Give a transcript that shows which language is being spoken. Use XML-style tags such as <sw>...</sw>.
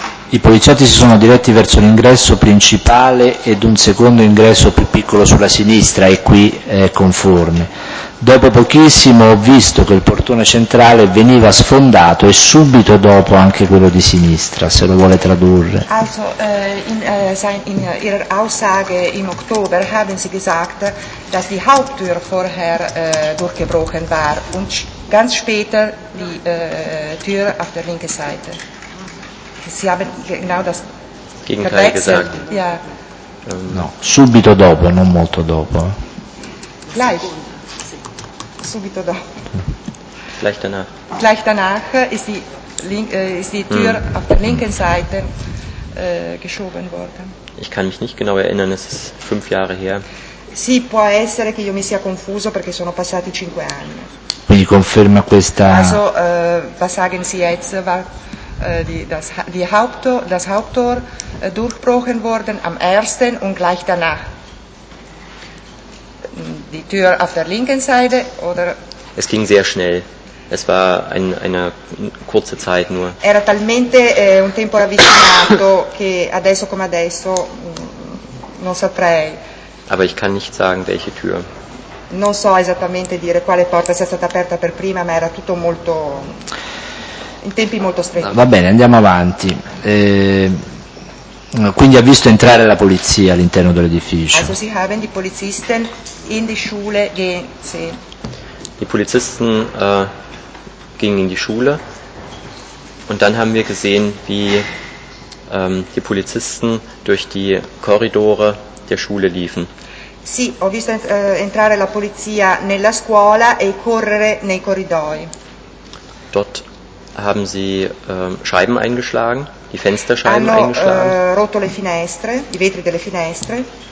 <it>I poliziotti si sono diretti verso l'ingresso principale ed un secondo ingresso più piccolo sulla sinistra e qui è conforme. Dopo pochissimo ho visto che il portone centrale veniva sfondato e subito dopo anche quello di sinistra, se lo vuole tradurre.</it> <de>Also in ihrer Aussage im Oktober haben Sie gesagt, dass die Haupttür vorher durchgebrochen war und ganz später die Tür auf der linken Seite. Sie haben genau das Gegenteil gesagt. Ja.</de> <it>No, subito dopo, non molto dopo.</it> <de>Gleich.</de> <it>Subito dopo.</it> <de>Gleich danach. Gleich danach ist die Tür auf der linken Seite geschoben worden. Ich kann mich nicht genau erinnern, es ist 5 Jahre her.</de> <it>Sì, può essere che io mi sia confuso perché sono passati 5 anni. Quindi conferma questa.</it> <de>Also, was sagen Sie jetzt? Das Haupttor durchbrochen worden am 1. und gleich danach die Tür auf der linken Seite oder es ging sehr schnell Es war eine kurze Zeit nur.</de> <it>Era talmente un tempo ravvicinato che adesso come adesso non saprei.</it> <de>Aber ich kann nicht sagen, welche Tür.</de> <it>Non so esattamente dire quale porta sia stata aperta per prima, ma era tutto molto in tempi molto stretti. Va bene, andiamo avanti. Quindi ha visto entrare la polizia all'interno dell'edificio.</it> <de>Also sie haben die Polizisten in die Schule gehen sehen. Die Polizisten gingen in die Schule und dann haben wir gesehen, wie die Polizisten durch die Korridore der Schule liefen.</de> <it>Sì, ho visto entrare la polizia nella scuola e correre nei corridoi.</it> <de>Dort haben sie Scheiben eingeschlagen, die Fensterscheiben</de> <it>hanno,</it> <de>eingeschlagen.</de> <it>Hanno rotto le finestre, i vetri delle finestre.</it>